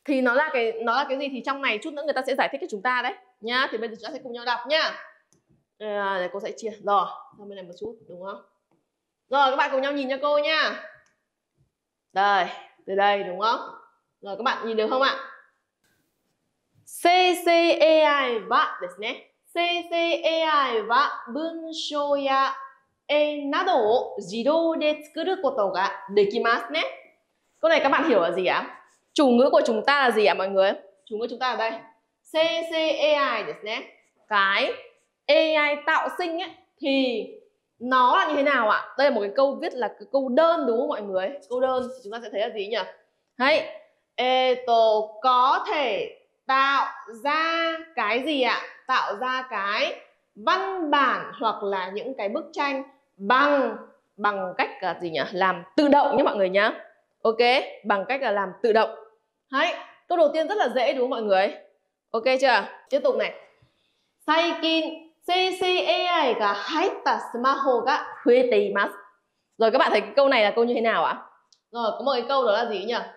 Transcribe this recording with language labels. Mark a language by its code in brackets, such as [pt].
[vi] Thì nó là cái gì thì trong này chút nữa người ta sẽ giải thích cho chúng ta đấy nhá. Thì bây giờ chúng ta sẽ cùng nhau đọc nhá. Để cô sẽ chia. Rồi, sang bên này một chút, đúng không? Rồi, các bạn cùng nhau nhìn cho cô nhá. Đây, từ đây đúng không? Rồi, các bạn nhìn được không ạ? [ja] CCAI và ですね CCAI は文章や絵などを自動で作ることができますね。 [vi] Câu này các bạn hiểu là gì ạ? Chủ ngữ của chúng ta là gì ạ mọi người? Chủ ngữ chúng ta ở đây. CCAI [ja] ですね. [vi] Cái AI tạo sinh ấy, thì nó là như thế nào ạ? Đây là một cái câu viết là câu đơn đúng không mọi người? Câu đơn thì chúng ta sẽ thấy là gì nhỉ? Hãy có thể tạo ra cái gì ạ? Tạo ra cái văn bản hoặc là những cái bức tranh bằng cách là gì nhỉ? Làm tự động nhé mọi người nhá. Ok, bằng cách là làm tự động. Hãy, câu đầu tiên rất là dễ đúng không mọi người? Ok chưa? Tiếp tục này. [ja] 最近 CCAI が入ったスマホが増えています。 [vi] Rồi các bạn thấy câu này là câu như thế nào ạ? Rồi có một cái câu đó là gì nhỉ?